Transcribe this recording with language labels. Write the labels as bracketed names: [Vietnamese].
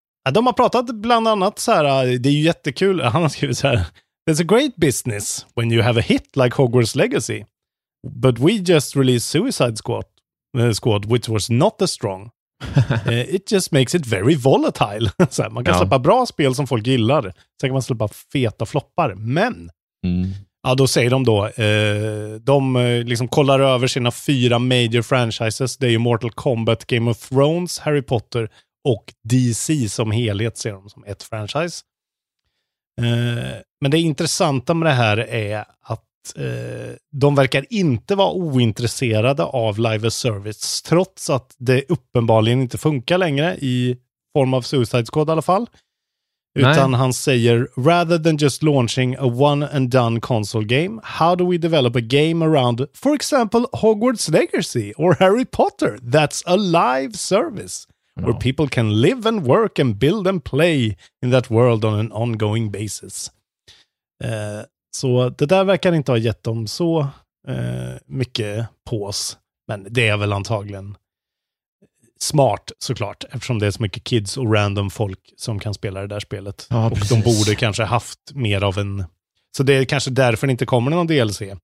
[Swedish] De har pratat bland annat så här. Det är ju jättekul. Han har skrivit så här. [English] There's a great business when you have a hit like Hogwarts Legacy. But we just released Suicide Squad, which was not as strong. It just makes it very volatile. [Swedish] Så här, man kan släppa bra spel som folk gillar, sen kan man släppa feta floppar. Men ja, då säger de då de liksom kollar över sina fyra major franchises. Det är ju Mortal Kombat, Game of Thrones, Harry Potter och DC som helhet, ser de som ett franchise. Men det intressanta med det här är att de verkar inte vara ointresserade av live service, trots att det uppenbarligen inte funkar längre i form av Suicide Squad i alla fall. Utan nej. Han säger, [English] rather than just launching a one and done console game, how do we develop a game around, for example, Hogwarts Legacy or Harry Potter? That's a live service where people can live and work and build and play in that world on an ongoing basis. [Swedish] Så det där verkar inte ha gett dem så mycket pås. Men det är väl antagligen smart såklart, eftersom det är så mycket kids och random folk som kan spela det där spelet. Ja, och de borde kanske haft mer av en... Så det är kanske därför det inte kommer någon DLC.